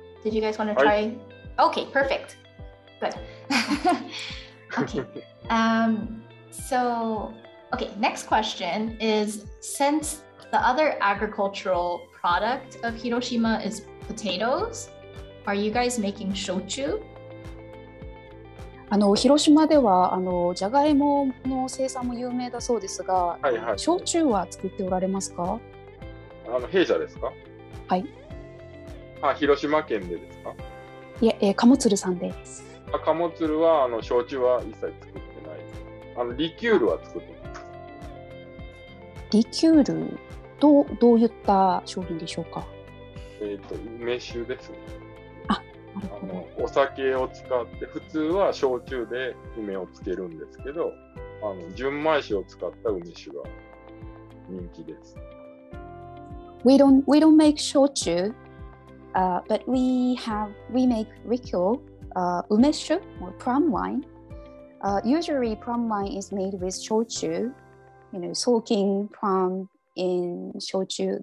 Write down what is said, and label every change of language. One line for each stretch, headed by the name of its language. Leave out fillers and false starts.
English: Did you guys want to try? Okay, perfect. Good. Okay. Next question is, since the other agricultural product of Hiroshima is potatoes, are you guys making shochu?
Japanese: あの広島ではあのジャガイモの生産も有名だそうですが、はいはい、焼酎は作っておられますか？あの弊社ですか？はい。あ、広島県でですか？いや、カモツルさんです。あ、カモツルはあの焼酎は一切作ってない。あのリキュールは作ってます。リキュールどういった商品でしょうか？梅酒です。あ、お酒を使って普通は焼酎で梅をつけるんですけど、純米酒を使った梅酒が人気です。
English: We don't make 焼酎, but we make rikyo, umeshu or plum wine. Usually plum wine is made with 焼酎, you know, soaking plum in 焼酎.